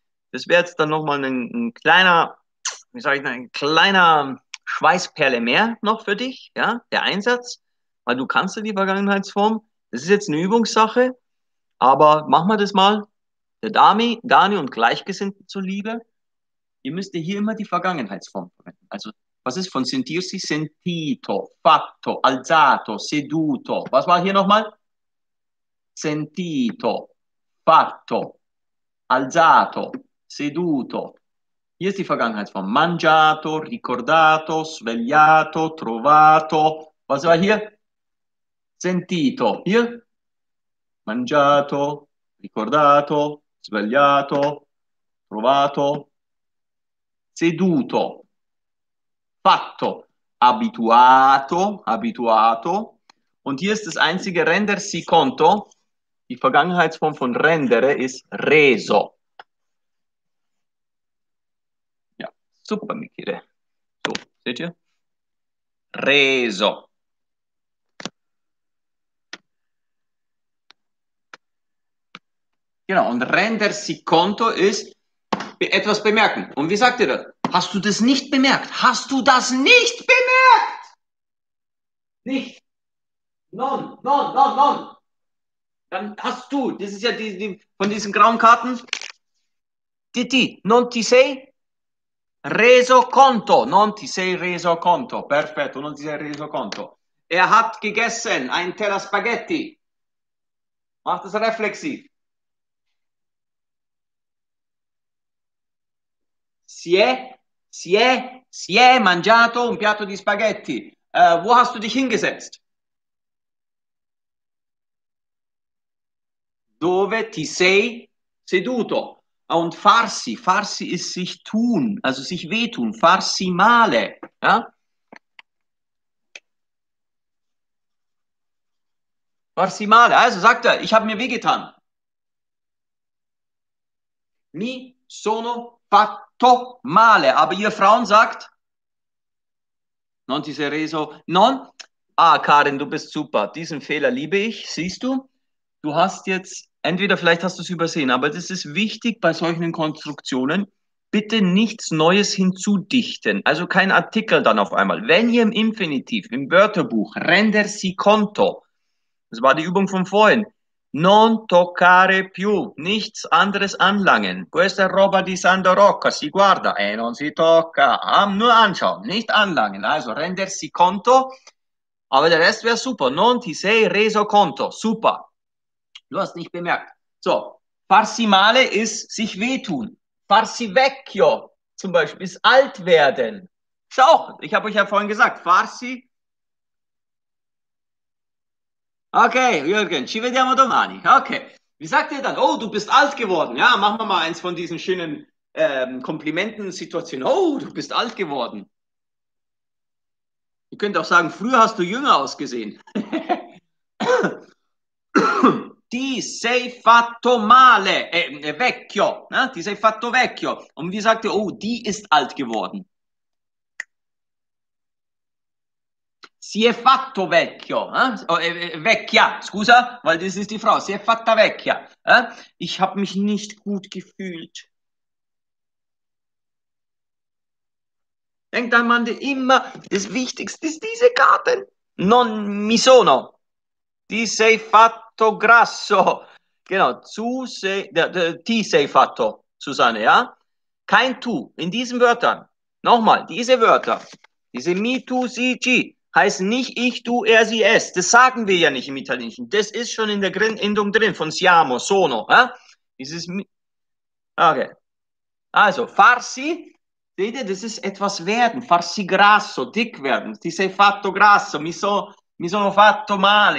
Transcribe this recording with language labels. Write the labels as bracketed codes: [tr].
[de] Das wäre jetzt dann nochmal ein kleiner, wie sage ich, ein kleiner Schweißperle mehr noch für dich, ja, der Einsatz, weil du kannst ja die Vergangenheitsform. Das ist jetzt eine Übungssache, aber machen wir das mal. Der Dami, Dani und Gleichgesinnten zuliebe, ihr müsst hier immer die Vergangenheitsform verwenden. Also, was ist von sentirsi? [it] Sentito, fatto, alzato, seduto. [de] Was war hier nochmal? [it] Sentito, fatto, alzato, seduto. [de] Hier ist die Vergangenheitsform. [it] Mangiato, ricordato, svegliato, trovato. [de] Was war hier? [it] Sentito. Hier? Mangiato, ricordato, svegliato, trovato, seduto. Fatto, abituato, abituato. [de] Und hier ist das einzige rendersi conto. Die Vergangenheitsform von rendere ist reso. Ja, super, Michele. So, seht ihr? Reso. Genau, und rendersi conto ist etwas bemerken. Und wie sagt ihr das? Hast du das nicht bemerkt? Hast du das nicht bemerkt? Nicht. [it] Non, non, non, non. [de] Dann hast du, das ist ja die von diesen grauen Karten. [it] Titi, non ti sei reso conto. Non ti sei reso conto. Perfetto, non ti sei reso conto. [de] Er hat gegessen ein Teller Spaghetti. Mach das reflexiv. [it] Si è mangiato un piatto di spaghetti. [de] Wo hast du dich hingesetzt? [it] Dove ti sei seduto? [de] Und farsi ist sich tun, also sich wehtun, farsi male. Ja? Farsi male, also sagt er, ich habe mir wehgetan. [it] Mi sono fatto. [de] To male, aber ihr Frauen sagt, [it] non ti sei reso, non, [de] ah Karin, du bist super, diesen Fehler liebe ich, siehst du, du hast jetzt, entweder vielleicht hast du es übersehen, aber das ist wichtig bei solchen Konstruktionen, bitte nichts Neues hinzudichten, also kein Artikel dann auf einmal, wenn ihr im Infinitiv, im Wörterbuch, rendersi conto, das war die Übung von vorhin, [it] non toccare più, [de] nichts anderes anlangen. [it] Questa roba di Sandro Rocca, si guarda, e non si tocca. [de] Nur anschauen, nicht anlangen. Also rendersi conto, aber der Rest wäre super. [it] Non ti sei reso conto, super. [de] Du hast nicht bemerkt. So, farsi male ist sich wehtun. Farsi vecchio, zum Beispiel, ist alt werden. Schau, ich habe euch ja vorhin gesagt, farsi. [it] Okay, Jürgen, ci vediamo domani. [de] Okay, wie sagt ihr dann? Oh, du bist alt geworden. Ja, machen wir mal eins von diesen schönen Komplimenten-Situationen. Oh, du bist alt geworden. Ihr könnt auch sagen, früher hast du jünger ausgesehen. [it] Ti sei fatto male, vecchio. Ne? Ti sei fatto vecchio. [de] Und wie sagt ihr? Oh, die ist alt geworden. [it] Si è fatto vecchio, eh? Oh, vecchia, scusa, [de] weil das ist die Frau, [it] si è fatta vecchia. Eh? [de] Ich habe mich nicht gut gefühlt. Denkt an, Mann, immer das Wichtigste ist diese Karten. [it] Non mi sono. Ti sei fatto grasso. Genau, ti sei fatto, Susanne, ja? [de] Kein tu, in diesen Wörtern. Nochmal, diese Wörter. Diese mi, tu, si, ci. Heißt nicht ich, du, er, sie, es. Das sagen wir ja nicht im Italienischen. Das ist schon in der Endung drin, von siamo, sono. Ja? Dieses okay. Also, farsi, seht ihr, das ist etwas werden. [it] Farsi grasso, [de] dick werden. [it] Ti sei fatto grasso, mi sono fatto male.